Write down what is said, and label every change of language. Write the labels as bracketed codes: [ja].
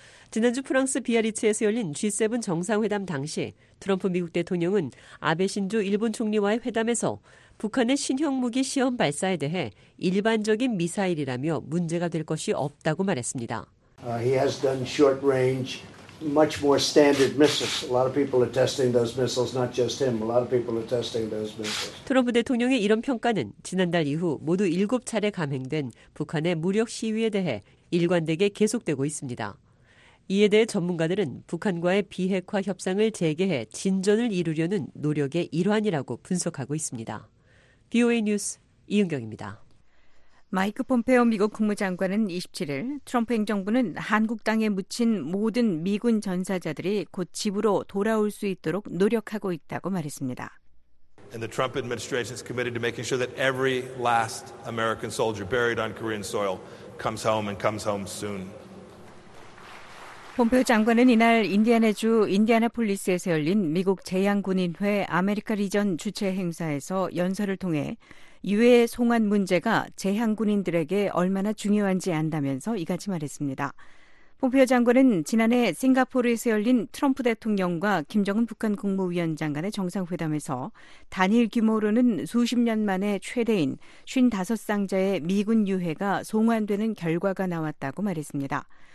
[ko] 지난주 프랑스 비아리츠에서 열린 G7 정상회담 당시 트럼프 미국 대통령은 아베 신조 일본 총리와의 회담에서 북한의 신형 무기 시험 발사에 대해 일반적인 미사일이라며 문제가 될 것이 없다고 말했습니다. [en] He has done short range, much more standard missiles. A lot of people are testing those missiles, not just him. A lot of people are testing those missiles. [ko] 트럼프 대통령의 이런 평가는 지난달 이후 모두 7차례 감행된 북한의 무력 시위에 대해 일관되게 계속되고 있습니다. 이에 대해 전문가들은 북한과의 비핵화 협상을 재개해 진전을 이루려는 노력의 일환이라고 분석하고 있습니다. VOA 뉴스 이은경입니다. 마이크 폼페오 미국 국무장관은 27일 트럼프 행정부는 한국 땅에 묻힌 모든 미군 전사자들이 곧 집으로 돌아올 수 있도록 노력하고 있다고 말했습니다. [en] And the Trump administration is committed to making sure that every last American soldier buried on Korean soil comes home and comes home soon. [ko] 폼페오 장관은 이날 인디애나주 인디애나폴리스에서 열린 미국 재향군인회 아메리카 리전 주최 행사에서 연설을 통해 유해 송환 문제가 재향군인들에게 얼마나 중요한지 안다면서 이같이 말했습니다. 폼페오 장관은 지난해 싱가포르에서 열린 트럼프 대통령과 김정은 북한 국무위원장 간의 정상회담에서 단일 규모로는 수십 년 만에 최대인 55쌍자의 미군 유해가 송환되는 결과가 나왔다고 말했습니다.